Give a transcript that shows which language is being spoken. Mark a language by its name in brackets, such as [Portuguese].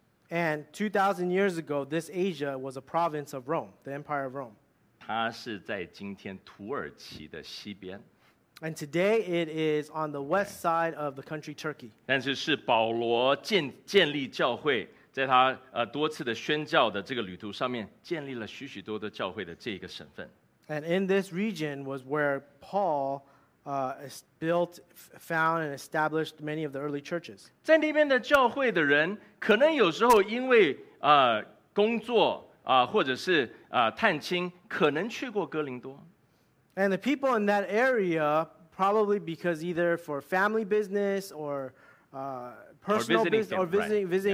[English] And 2,000 years ago, this Asia was a province of Rome, the Empire of Rome. [Chinese] 它是在今天土耳其的西边。 [English] And today it is on the west side of the country Turkey. [Chinese] 但是是保罗建立教会，在他多次的宣教的这个旅途上面，建立了许许多多教会的这一个省份。 [English] And in this region was where Paul built, found, and established many of the early churches. [Chinese] 在那边的教会的人，可能有时候因为 工作 或者是 探亲，可能去过哥林多。 [English] And the people in that area, probably because either for family business or personal business or visiting